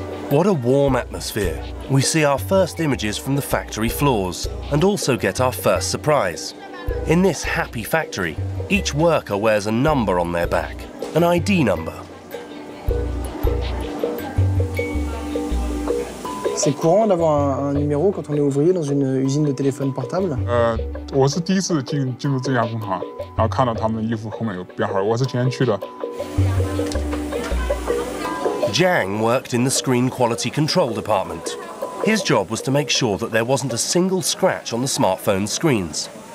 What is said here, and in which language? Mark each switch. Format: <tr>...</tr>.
<en>What a warm atmosphere. We see our first images from the factory floors and also get our first surprise. In this happy factory, each worker wears a number on their back, an ID number.</en> <fr>C'est courant d'avoir un numéro quand on est ouvrier dans une usine de téléphone portable.</fr> <zh>我是第一次进入这家工厂，然后看到他们衣服后面有编号，我是今天去的。</zh> <en>Jiang worked in the screen quality control department. His job was to make sure that there wasn't a single scratch on the smartphone screens.</en>